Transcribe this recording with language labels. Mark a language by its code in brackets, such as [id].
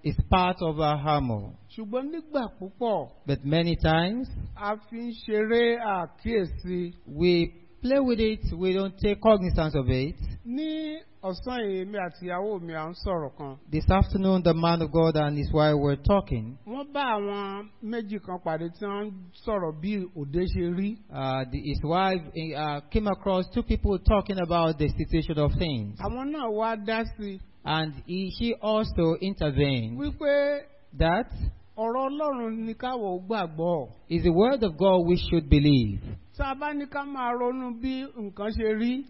[en] It's part of our armor. [yo] Ṣùgbọ́n nígbà púpọ̀. [en] But many times. [yo] A fi ń ṣeré àkíyèsí. [en] We play with it, we don't take cognizance of it. [yo] Ní ọ̀sán èmi àti ìyàwó mi à ń sọ̀rọ̀ kan. [en] This afternoon the man of God and his wife were talking. [yo] Wọ́n bá àwọn méjì kan pàdé tí wọ́n ń sọ̀rọ̀ bí òde ṣe rí. [en] His wife came across two people talking about the situation of things. [yo] Àwọn náà wá dá sí. [en] And she also intervened. [yo] Wípé. [en] That. [yo] Ọ̀rọ̀ Ọlọ́run ni káwọ̀ gbàgbọ́. [en] Is the word of God we should believe. [yo] Tá a bá ní ká máa ronú bí nǹkan ṣe rí.